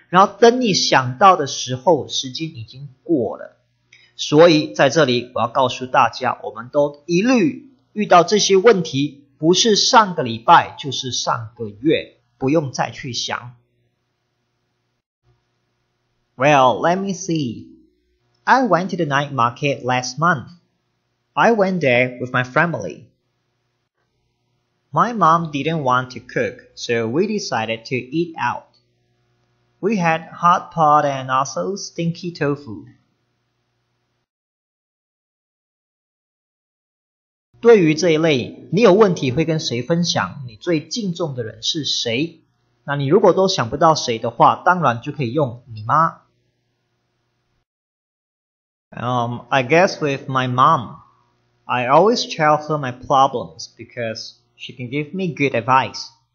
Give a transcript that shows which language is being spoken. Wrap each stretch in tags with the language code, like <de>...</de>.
<zh>然后等你想到的时候，时间已经过了。所以在这里我要告诉大家，我们都一律遇到这些问题，不是上个礼拜就是上个月，不用再去想。</zh> <en>Well, let me see. I went to the night market last month. I went there with my family. My mom didn't want to cook, so we decided to eat out. We had hot pot and also stinky tofu.</en> <zh>对于这一类，你有问题会跟谁分享？你最敬重的人是谁？那你如果都想不到谁的话，当然就可以用你妈。</zh> <en>I guess with my mom. I always tell her my problems because she can give me good advice.</en>